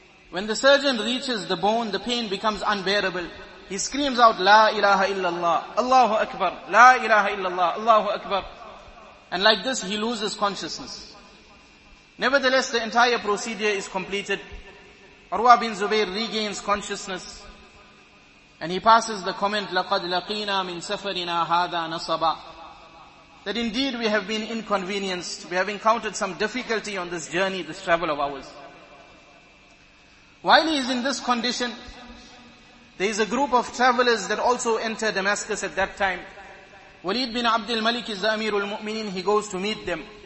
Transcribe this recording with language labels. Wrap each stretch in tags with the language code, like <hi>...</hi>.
<en>When the surgeon reaches the bone, the pain becomes unbearable. He screams out, La ilaha illallah, Allahu Akbar, La ilaha illallah, Allahu Akbar. And like this, he loses consciousness. Nevertheless, the entire procedure is completed. Urwa bin Zubayr regains consciousness. And he passes the comment,</en> <ar>لَقَدْ لَقِينَا مِن سَفَرِنَا هَذَا نَصَبًا.</ar> <en>That indeed we have been inconvenienced. We have encountered some difficulty on this journey, this travel of ours. While he is in this condition, there is a group of travelers that also enter Damascus at that time. Walid bin Abdul Malik is the Amir al-Mu'mineen. He goes to meet them.</en>